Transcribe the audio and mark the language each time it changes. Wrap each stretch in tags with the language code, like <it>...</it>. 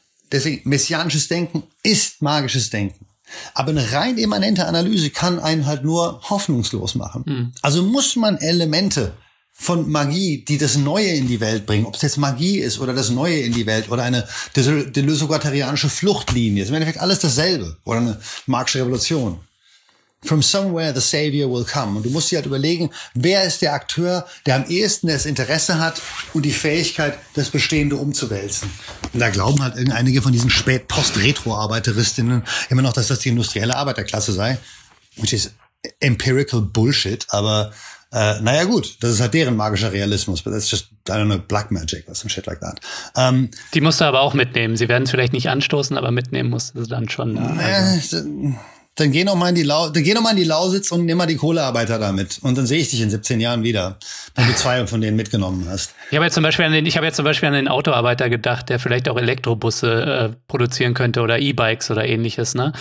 <de>Deswegen, messianisches Denken ist magisches Denken. Aber eine rein immanente Analyse kann einen halt nur hoffnungslos machen. Mhm. Also muss man Elemente von Magie, die das Neue in die Welt bringen, ob es jetzt Magie ist oder das Neue in die Welt oder eine deleuze-guattarianische Fluchtlinie, ist im Endeffekt alles dasselbe oder eine marxische Revolution.</de> <en>From somewhere the savior will come.</en> <de>Und du musst dir halt überlegen, wer ist der Akteur, der am ehesten das Interesse hat und die Fähigkeit, das Bestehende umzuwälzen. Und da glauben halt einige von diesen Spät-Post-Retro-Arbeiterinnen immer noch, dass das die industrielle Arbeiterklasse sei.</de> <en>Which is empirical bullshit.</en> <de>Aber naja gut, das ist halt deren magischer Realismus.</de> <en>But that's just, I don't know, black magic or some shit like that.</en> <de>Die musst du aber auch mitnehmen. Sie werden es vielleicht nicht anstoßen, aber mitnehmen musst du dann schon. Dann geh noch mal in die Lausitz und nimm mal die Kohlearbeiter damit. Und dann sehe ich dich in 17 Jahren wieder, wenn du zwei von denen mitgenommen hast. Ich habe jetzt zum Beispiel an den Autoarbeiter gedacht, der vielleicht auch Elektrobusse produzieren könnte oder E-Bikes oder ähnliches, ne?</de>